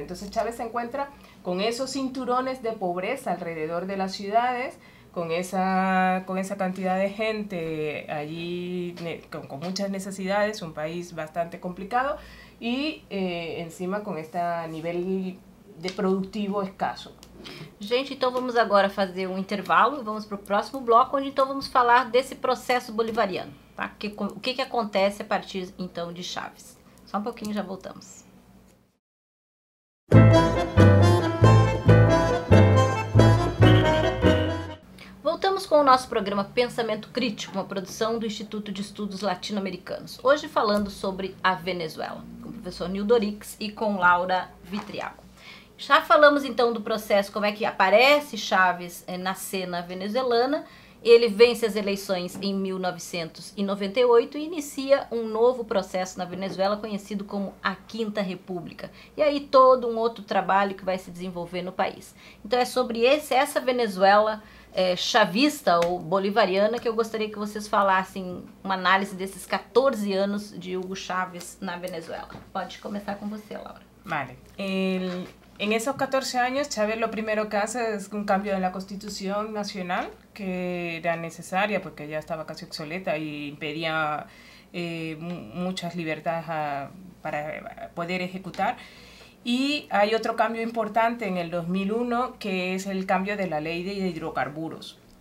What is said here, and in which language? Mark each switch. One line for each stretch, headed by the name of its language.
Spanish: Entonces, Chávez se encuentra con esos cinturones de pobreza alrededor de las ciudades, con esa cantidad de gente allí, con muchas necesidades, un país bastante complicado, y encima con este nivel de productivo escaso.
Portuguese: Gente, então vamos agora fazer um intervalo e vamos para o próximo bloco, onde então vamos falar desse processo bolivariano, tá? O que acontece a partir então de Chávez. Só um pouquinho, já voltamos. Voltamos com o nosso programa Pensamento Crítico, uma produção do Instituto de Estudos Latino-Americanos. Hoje falando sobre a Venezuela, com o professor Nildorix e com Laura Vitriago. Já falamos então do processo, como é que aparece Chávez na cena venezuelana. Ele vence as eleições em 1998 e inicia um novo processo na Venezuela, conhecido como a Quinta República. E aí todo um outro trabalho que vai se desenvolver no país. Então é sobre essa Venezuela chavista ou bolivariana que eu gostaria que vocês falassem uma análise desses 14 anos de Hugo Chávez na Venezuela. Pode começar com você, Laura.
Spanish: Vale. En esos 14 años, Chávez lo primero que hace es un cambio en la Constitución Nacional, que era necesaria porque ya estaba casi obsoleta y impedía muchas libertades para poder ejecutar. Y hay otro cambio importante en el 2001, que es el cambio de la ley de hidrocarburos.